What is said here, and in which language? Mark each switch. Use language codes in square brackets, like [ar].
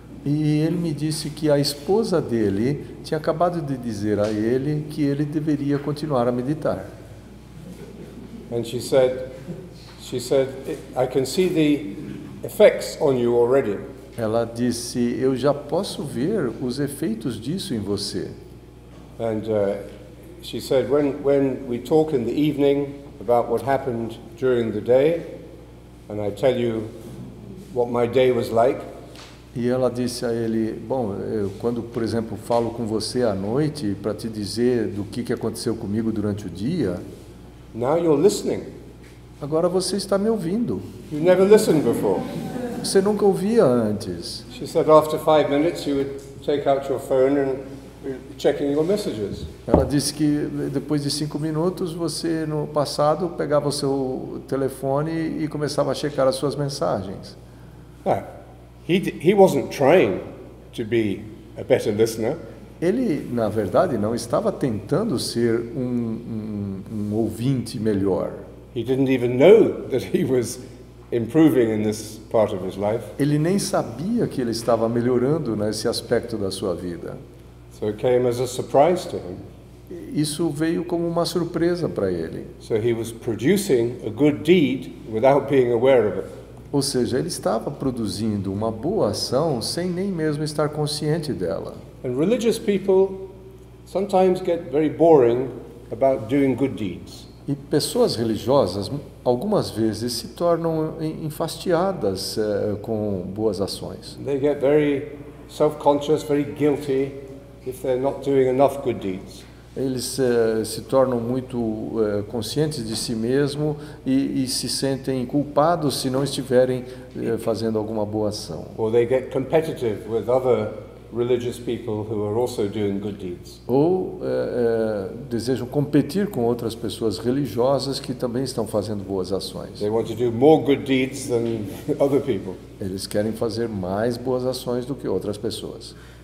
[pt] E ele me disse que a esposa dele tinha acabado de dizer a ele que ele deveria continuar a meditar. [en] And she said, I can see the effects on you already. [pt] Ela disse, eu já posso ver os efeitos disso em você. [en] And she said, when we talk in the evening about what happened during the day, and I tell you what my day was like. [pt] E ela disse a ele, bom, eu, quando, por exemplo, falo com você à noite para te dizer do que aconteceu comigo durante o dia. [en] Now you're listening. [pt] Agora você está me ouvindo. [en] You never listened before. [pt] Você nunca ouvia antes. [en] She said after 5 minutes you would take out your phone and checking your messages. [pt] Ela disse que depois de 5 minutos você no passado pegava o seu telefone e começava a checar as suas mensagens. [en] He wasn't trying to be a better listener. [pt] Ele, na verdade, não estava tentando ser um ouvinte melhor. [en] He didn't even know that he was improving in this part of his life. [pt] Ele nem sabia que ele estava melhorando nesse aspecto da sua vida. [en] So it came as a surprise to him. [pt] Isso veio como uma surpresa para ele. [en] So he was producing a good deed without being aware of it. [pt] Ou seja, ele estava produzindo uma boa ação sem nem mesmo estar consciente dela. [en] And religious people sometimes get very boring about doing good deeds. [pt] E pessoas religiosas algumas vezes se tornam enfastiadas com boas ações. [en] They get very self-conscious, very guilty if they're not doing enough good deeds. [pt] Eles se tornam muito conscientes de si mesmo e se sentem culpados se não estiverem fazendo alguma boa ação. [en] Or they get competitive with other religious people who are also doing good deeds. [pt] Ou desejam competir com outras pessoas religiosas que também estão fazendo boas ações. [en] They want to do more good deeds than other people. [pt] Eles querem fazer mais boas ações do que outras pessoas.